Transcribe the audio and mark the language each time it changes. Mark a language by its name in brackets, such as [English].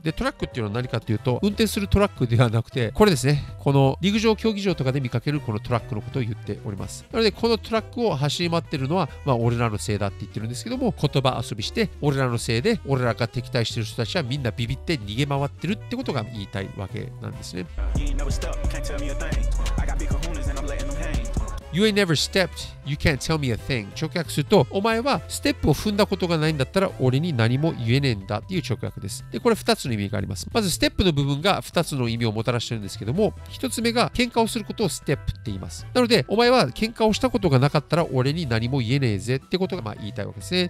[Japanese] でトラックっていうのは何かというと、運転するトラックではなくて、これですね、この陸上競技場とかで見かけるこのトラックのことを言っております。なのでこのトラックを走り回ってるのは、まあ俺らのせいだって言ってるんですけども、言葉遊びして、俺らのせいで俺らが敵対してる人たちはみんなビビって逃げ回ってるってことが言いたいわけなんですね。 [English] You ain't never stepped, you can't tell me a thing. [Japanese] 直訳すると、お前はステップを踏んだことがないんだったら俺に何も言えねえんだっていう直訳です。で、これ2つの意味があります。まずステップの部分が2つの意味をもたらしてるんですけども、1つ目が喧嘩をすることをステップって言います。なので、お前は喧嘩をしたことがなかったら俺に何も言えねえぜってことが、まあ、言いたいわけですね。